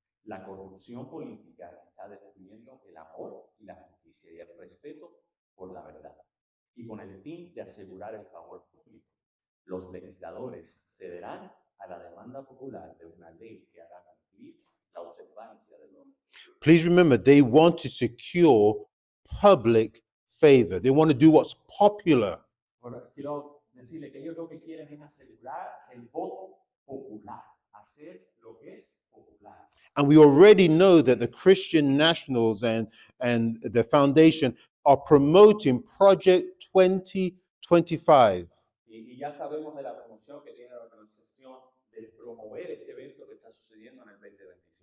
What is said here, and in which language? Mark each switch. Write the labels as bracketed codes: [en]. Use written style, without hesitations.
[es] La corrupción política está destruyendo el amor y la justicia y el respeto por la verdad. Y con el fin de asegurar el favor público, los legisladores cederán a la demanda popular de una ley que hará cumplir la observancia del hombre. [en] Please remember, they want to secure public favor. They want to do what's popular. [es] Bueno, quiero decirle que ellos lo que quieren es asegurar el voto popular, hacer lo que es popular. [en] And we already know that the Christian nationals and the foundation are promoting Project 2025. [es] Y ya sabemos de la promoción que tiene la organización de promover este evento que está sucediendo en el 2025.